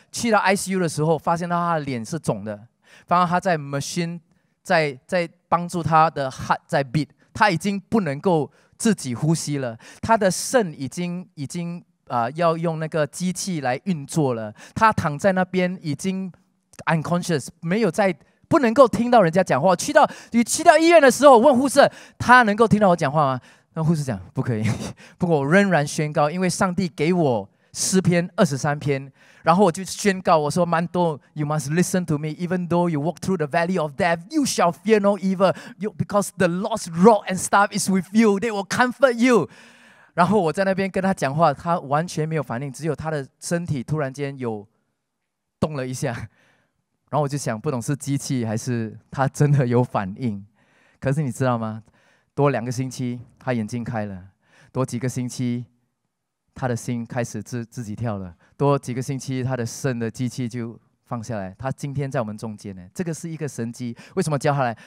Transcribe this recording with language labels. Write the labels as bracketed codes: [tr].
[zh] 去到 ICU 的时候，发现到他的脸是肿的，发现他在 machine 在帮助他的 heart 在 beat， 他已经不能够自己呼吸了，他的肾已经。要用那个机器来运作了，他躺在那边已经 unconscious， 没有在不能够听到人家讲话。去到医院的时候，我问护士，他能够听到我讲话吗？那护士讲不可以。不过我仍然宣告，因为上帝给我诗篇23篇，然后我就宣告，我说 [en] Manto, you must listen to me, even though you walk through the valley of death, you shall fear no evil, because the Lord's rod and staff is with you, they will comfort you. [zh] 然后我在那边跟他讲话，他完全没有反应，只有他的身体突然间有动了一下。然后我就想，不懂是机器还是他真的有反应。可是你知道吗？多两个星期他眼睛开了，多几个星期他的心开始自己跳了，多几个星期他的肾的机器就放下来。他今天在我们中间呢，这个是一个神迹。为什么叫他来？